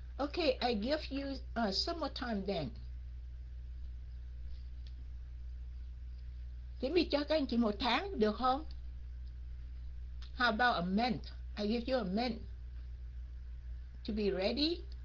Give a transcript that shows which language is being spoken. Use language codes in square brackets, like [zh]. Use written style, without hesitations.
[en] Okay, I give you some more time then. [vi] Để mình cho các anh chị một tháng được không? [en] How about a month? I give you a month to be ready.